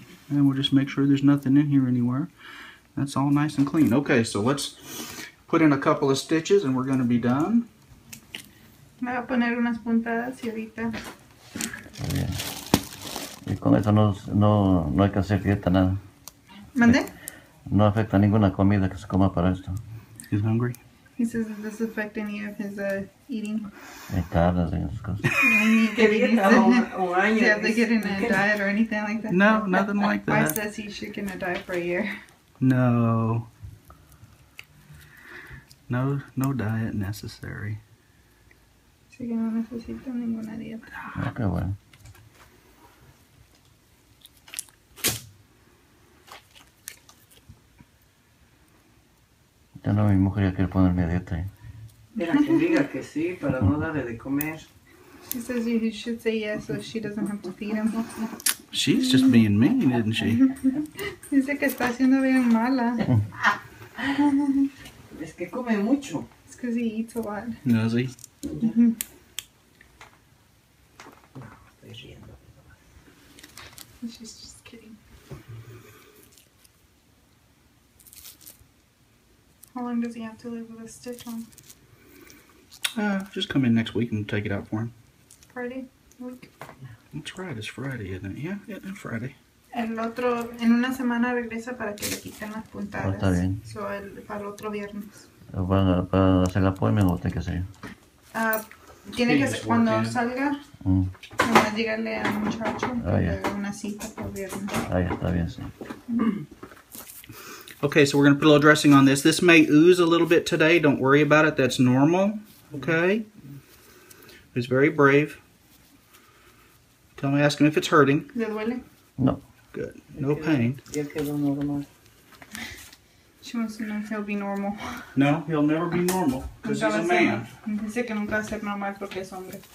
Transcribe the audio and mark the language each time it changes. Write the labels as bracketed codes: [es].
[en] And we'll just make sure there's nothing in here anywhere. That's all nice and clean. Okay, so let's put in a couple of stitches and we're going to be done. [es] Me voy a poner unas puntadas y ahorita. Muy bien. Y con eso no hay que hacer dieta, nada. ¿Mande? No afecta ninguna comida que se coma para esto. [en] He's hungry. He says, does this affect any of his eating? It does, I think. Do you have to get in a diet or anything like that? No, nothing like that. My says he should get in a diet for a year. No. No, no diet necessary. [es] Así que no necesito ninguna dieta. Okay, bueno. Ya no, mi mujer ya quiere ponerme a dieta. Mira, que diga que sí, para no darle de comer. [en] She says you should say yes so she doesn't have to feed him. She's just being mean, isn't she? [es] Dice que está haciendo bien mala. Es que come mucho. [en] It's because he eats a lot. [es] No, sí. [en] She's just kidding. How long does he have to live with a stitch on? Just come in next week and take it out for him. Friday? Week? That's right, it's Friday, isn't it? Yeah, it's Friday. [es] El otro, en una semana regresa para que le quiten las puntadas. Oh, está bien. So, para el otro viernes. Para hacer la poema o tiene que hacer. Tiene que ser cuando salga. Vamos a dígale al muchacho que le haga una cita por viernes. Ah, ya está bien, sí. [en] Okay, so we're going to put a little dressing on this. This may ooze a little bit today. Don't worry about it. That's normal. Okay? He's very brave. Tell me, ask him if it's hurting. [es] ¿Le duele? No. [en] Good. No pain. She wants to know if he'll be normal. No, he'll never be normal. Because he's a man. [es] Dice que nunca va a ser normal porque es hombre.